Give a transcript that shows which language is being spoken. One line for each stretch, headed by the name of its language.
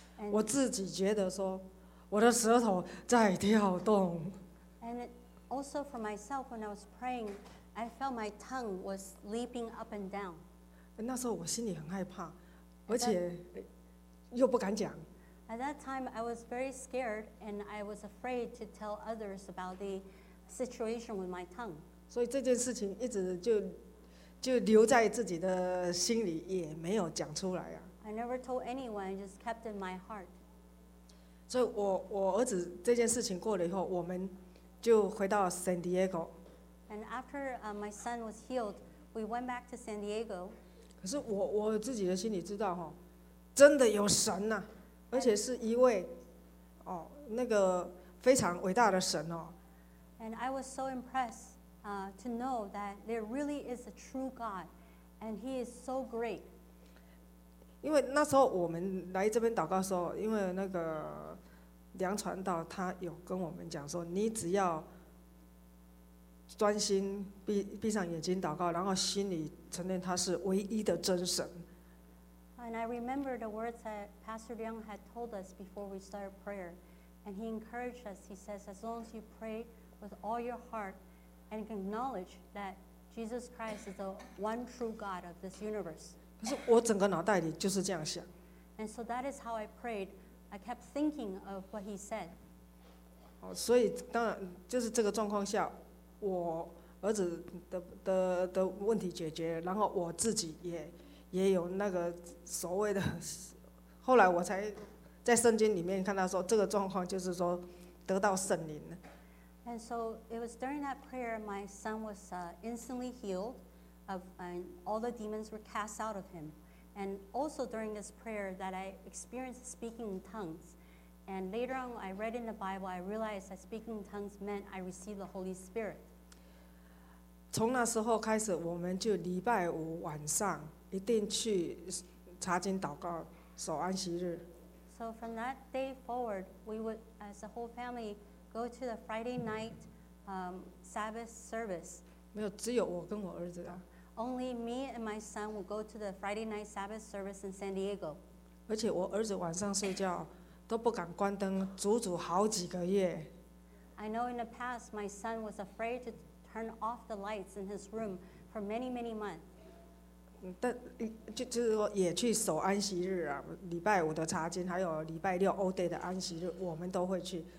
Chinese: 我自己觉得说，我的舌头在跳动。
English: And also for myself, when I was praying, I felt my tongue was leaping up and down.
Chinese: 那时候我心里很害怕，而且又不敢讲。
English: At that time, I was very scared, and I was afraid to tell others about the situation with my tongue.
Chinese: 所以这件事情一直就留在自己的心里，也没有讲出来啊。
English: I never told anyone, just kept in my heart.
Chinese: 所以我儿子这件事情过了以后，我们就回到 San Diego.
English: And after my son was healed, we went back to San Diego.
Chinese: 可是我自己的心里知道，真的有神啊，而且是一位那个非常伟大的神哦。
English: And I was so impressed to know that there really is a true God, and he is so great.
Chinese: 因为那时候我们来这边祷告的时候，因为那个梁传道他有跟我们讲说，你只要专心闭上眼睛祷告，然后心里承认他是唯一的真神。
English: And I remember the words that Pastor Liang had told us before we started prayer, and he encouraged us. He says, as long as you pray with all your heart and acknowledge that Jesus Christ is the one true God of this universe.
Chinese: 可是我整个脑袋里就是这样想。
English: And so that is how I prayed. I kept thinking of what he said.
Chinese: 所以当然就是这个状况下，我儿子的问题解决，然后我自己也有那个所谓的，后来我才在圣经里面看到说，这个状况就是说得到圣灵。
English: And so it was during that prayer, my son was instantly healed. all the demons were cast out of him. And also during this prayer that I experienced speaking in tongues. And later on, I read in the Bible, I realized that speaking in tongues meant I received the Holy Spirit.
Chinese: 从那时候开始，我们就礼拜五晚上一定去查经祷告，守安息日。
English: So from that day forward, we would, as a whole family, go to the Friday night, Sabbath service.
Chinese: 没有，只有我跟我儿子啊。
English: Only me and my son will go to the Friday night Sabbath service in San Diego.
Chinese: 而且我儿子晚上睡觉都不敢关灯，足足好几个月。
English: I know in the past my son was afraid to turn off the lights in his room for many, many months.
Chinese: 但就是说也去守安息日啊，礼拜五的查经，还有礼拜六 all day 的安息日，我们都会去。